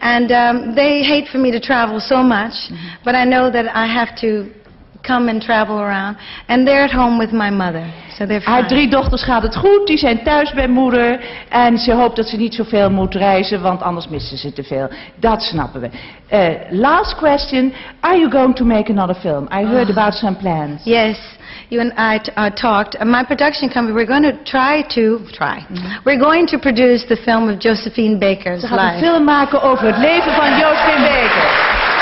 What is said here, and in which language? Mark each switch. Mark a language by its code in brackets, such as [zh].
[en] And they hate for me to travel so much, mm-hmm. but I know that I have to come and travel around. And they're at home with my mother, so they're fine. [nl] Haar drie dochters gaat het goed. Die zijn thuis bij moeder. En ze hoopt dat ze niet zoveel moet reizen, want anders missen ze te veel. Dat snappen we. [en] Last question. Are you going to make another film? I heard about some plans. Yes. You and I talked. My production company, we're going to try. Mm-hmm. We're going to produce the film of Josephine Baker's life. [nl] Ze gaat een film maken over het leven van Josephine Baker.